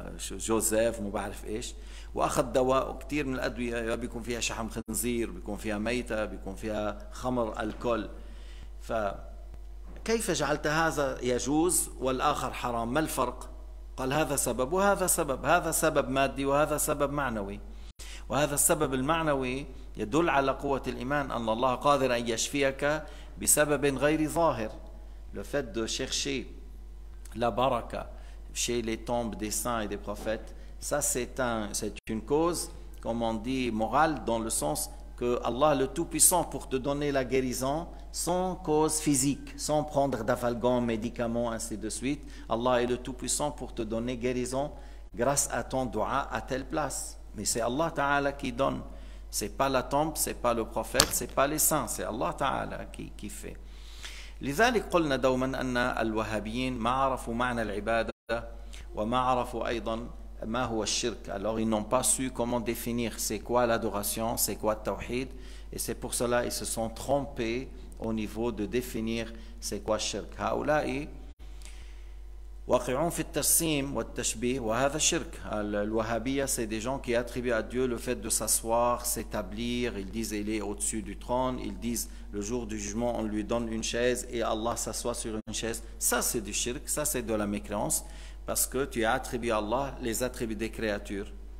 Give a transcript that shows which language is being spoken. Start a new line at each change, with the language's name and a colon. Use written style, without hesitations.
Arabic: جوزيف مو بعرف إيش، وأخذ دواء وكثير من الأدوية بيكون فيها شحم خنزير، بيكون فيها ميتة، بيكون فيها خمر الكل، فكيف جعلت هذا يجوز والآخر حرام؟ ما الفرق؟ قال هذا سبب وهذا سبب، هذا سبب مادي وهذا سبب معنوي، وهذا السبب المعنوي يدل على قوة الإيمان أن الله قادر أن يشفيك بسبب غير ظاهر.
French: Le fait de chercher la baraka chez les tombes des saints et des prophètes, ça c'est une cause, comme on dit, morale, dans le sens que Allah le Tout-Puissant pour te donner la guérison sans cause physique, sans prendre d'afalgan, médicaments, ainsi de suite. Allah est le Tout-Puissant pour te donner guérison grâce à ton dua à telle place. Mais c'est Allah Ta'ala qui donne. Ce n'est pas la tombe, ce n'est pas le prophète, ce n'est pas les saints. C'est Allah Ta'ala qui fait.
Arabic: لذلك قلنا دوما أن الوهابيين ما عرفوا معنى العبادة وما عرفوا أيضا ما هو الشرك.
French: Alors ils n'ont pas su comment définir c'est quoi l'adoration, c'est quoi le tawhid. Et c'est pour cela ils se sont trompés au niveau de définir c'est quoi الشرك.
Arabic: هؤلاء واقعون في التسيم والتشبيه وهذا الشرك.
French: الوهابية c'est des gens qui attribuent à Dieu le fait de s'asseoir, s'établir. Ils disent il est au-dessus du trône. Ils disent le jour du jugement on lui donne une chaise et Allah s'assoit sur une chaise. Ça c'est du shirk, ça c'est de la mécréance, parce que tu attribues à Allah les attributs des créatures.